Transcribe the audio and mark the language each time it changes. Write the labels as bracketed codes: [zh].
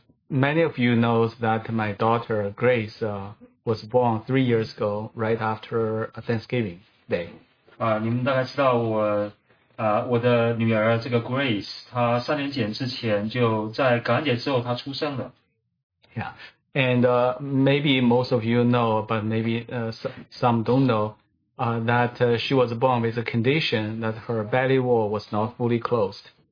[en] Many of you know that my daughter Grace was born 3 years ago, right after Thanksgiving Day. [zh] 你们大概知道我的女儿这个 Grace, 她三年前之前就在感恩节之后她出生了。 [en] Yeah, and maybe most of you know, but maybe some don't know, that she was born with a condition that her belly wall was not fully closed.